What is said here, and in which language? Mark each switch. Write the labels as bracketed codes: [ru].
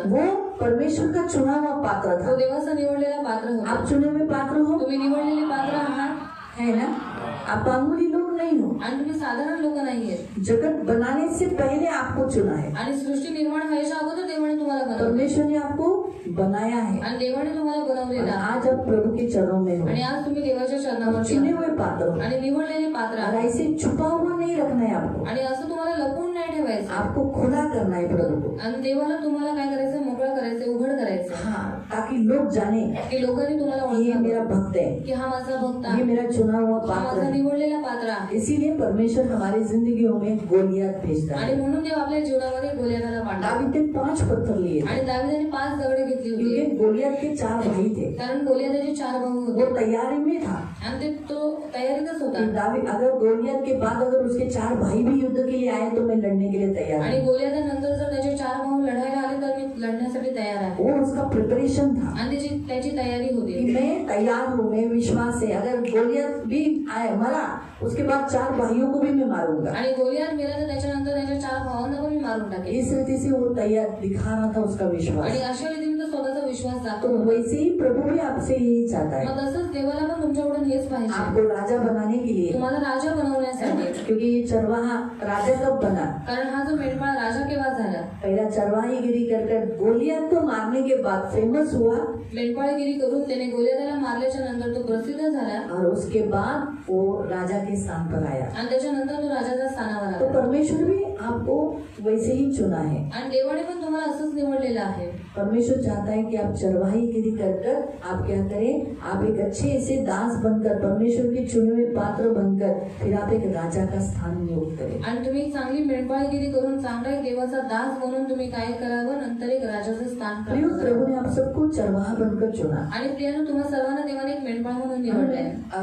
[hi] वो परमेश्वर का चुना हुआ पात्र था. [mr] वो देवाचा निवडलेला पात्र होता. [hi] आप चुने हुए पात्र हो. [mr] तुम्ही निवडलेले पात्र आहात. [hi] है ना. आप मामूली लोग नहीं हो. [mr] तुम्ही साधारण लोक नाही आहे. [hi] जगत बनाने से पहले आपको चुना है. [mr] आणि सृष्टी निर्माण व्हायच्या अगोदर देवाने तुम्हाला बनवलं. [hi] परमेश्वर ने आपको बनाया है. [mr] आणि देवाने तुम्हाला बनवलेलं. [hi] आज आप प्रभु के चरणों में हो. [mr] आणि आज तुम्ही देवाच्या चरणामध्ये. [hi] चुने हुए पात्र. [mr] आणि निवडलेले पात्र. [hi] ऐसे छुपा हुआ नहीं रखना है आपको. [mr] आणि असं तुम्हाला लपवून नाही ठेवायचं. [hi] आपको खुला करना है प्रभु को. [mr] आणि देवाला तुम्हाला काय करायचं मोकळं करायचं उघड करायचं. [hi] हाँ ताकि लोग जाने [mr] की लोकांनी तुम्हाला ओळखावं. [hi] हे मेरा भक्त है. [mr] की हा माझा भक्त आहे. [hi] हे मेरा चुना हुआ पात्र. [mr] निवडलेला पात्र. [hi] इसीलिए परमेश्वर हमारी जिंदगी में गोलियात भेजता. [mr] आणि म्हणून देव आपल्या जीवनामध्ये गोलियाताला पाठवतो. [hi] दाविदने पांच पत्थर लिए. [mr] आणि दाविदने पांच दगडे घेतली होती. [hi] क्योंकि गोलियात के चार भाई थे. [mr] कारण गोलियाताचे चार भाऊ होते. [hi] वो तयारी में था. [mr] आणि ते तो तयारीतच होता. [hi] दाविद अगर गोलियात के बाद अगर उसके चार भाई भी युद्ध के लिए आए तो मैं लड़ने के लिए तयार. [mr] आणि गोलियाता नंतर जर त्याचे चार भाऊ लढायला आले तर मी लढण्यासाठी तयार आहे. [hi] वो उसका प्रिपरेशन था. [mr] आणि त्याची तयारी होती. [hi] मैं तयार हूँ. मैं विश्वास है अगर गोलियात भी आए मरा उसके बाद चार भाइयों को भी मैं मारूंगा. [mr] आणि गोलियात मेरा तर त्याच्यानंतर त्याच्या चार भावांना पण मी मारून टाकेल. [hi] इस रीति से वो तैयार दिखा रहा था उसका विश्वास. [mr] आणि अशा रीतीने तो स्वतःचा विश्वास दाखवतो. [hi] तो वैसे ही प्रभु भी आपसे यही चाहता है. [mr] मग तसंच देवाला पण तुमच्याकडून हेच पाहिजे. [hi] आपको राजा बनाने के लिए. [mr] तुम्हाला राजा बनवण्यासाठी. [hi] क्योंकि ये चरवाहा राजा कब बना. [mr] कारण हा जो मेंढपाळ राजा केव्हा झाला. [hi] पहिला चरवाहीगिरी करकर गोलियात तो मारने के बाद फेमस हुआ. [mr] मेंढपाळगिरी करून त्याने गोलियाताला मारल्याच्या नंतर तो प्रसिद्ध झाला. [hi] और उसके बाद वो राजा के स्थान पर आया. [mr] आणि त्याच्यानंतर तो राजाचा स्थानावर आला. [hi] तो परमेश्वर भी आपको वैसे ही चुना है. [mr] आणि देवाने पण तुम्हाला असंच निवडलेलं आहे. [hi] परमेश्वर चाहता है कि आप चरवाही गिरी कर आप क्या करें, आप एक अच्छे ऐसे दास बनकर परमेश्वर के चुने हुए पात्र बनकर फिर आप एक राजा का स्थान नियोग करें। [mr] तुम्ही चांगली मेंढपाळगिरी करून चांगला देवाचा दास बनून तुम्ही काय करावं, नंतर एक राजाचं स्थान करावं। [hi] प्रभू ने आप सबको चरवाहा बनकर चुना [mr] आणि प्रियांनो तुम्हा सर्वांना देवाने एक मेंढपाळ म्हणून निवडलंय।